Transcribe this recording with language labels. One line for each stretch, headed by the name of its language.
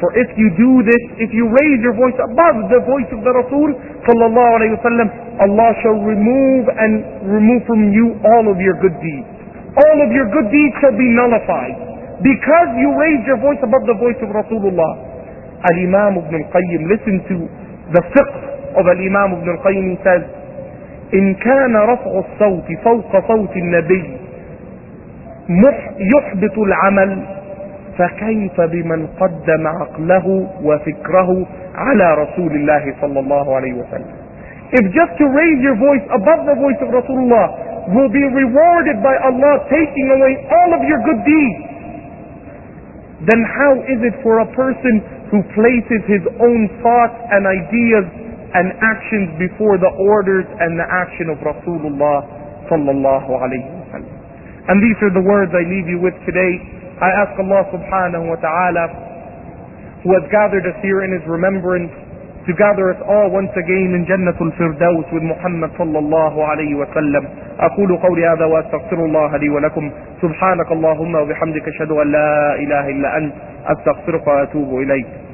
English: For if you do this, if you raise your voice above the voice of the Rasul sallallahu alayhi wa sallam, Allah shall remove from you all of your good deeds. All of your good deeds shall be nullified because you raised your voice above the voice of Rasulullah. Al-Imam ibn al-Qayyim, listen to the fiqh of Al-Imam ibn al-Qayyim. He says,
Arabic: إِن كَانَ رَفْعُ الصَّوْتِ فَوْقَ صَوْتِ النَّبِيِّ يُحْبِطُ الْعَمَلِ فكيف بمن قدم عقله وفكره على رسول الله صلى الله عليه وسلم.
English: If just to raise your voice above the voice of Rasulullah will be rewarded by Allah taking away all of your good deeds, then how is it for a person who places his own thoughts and ideas and actions before the orders and the action of Rasulullah sallallahu alayhi wa sallam? And these are the words I leave you with today. I ask Allah subhanahu wa ta'ala, who has gathered us here in His remembrance, to gather us all once again in Jannatul Firdaus with Muhammad sallallahu alayhi wa sallam.
Arabic: أقول قولي هذا وأستغفر الله لي ولكم. سبحانك اللهم وبحمدك أشهد أن لا إله إلا أنت أستغفرك وأتوب إليك.